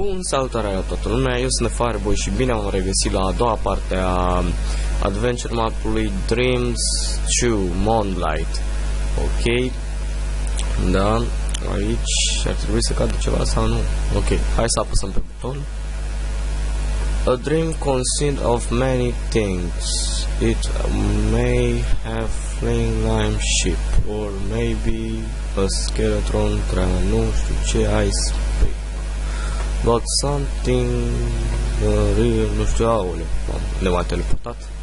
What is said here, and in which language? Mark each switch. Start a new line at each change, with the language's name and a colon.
Romanian: salutare la toată lumea, eu sunt Fireboy și bine am regăsit la a doua parte a Adventure Map-ului Dreams 2 Moonlight. Ok, da, aici ar trebui să cadă ceva sau nu? Ok, hai să apăsăm pe buton.
English: A dream consists of many things. It may have flying lime ship or maybe a skeleton train,
Romanian: nu știu ce
English: ice pick. But something real,
Romanian: nu știu, aole, ne m-a teleportat.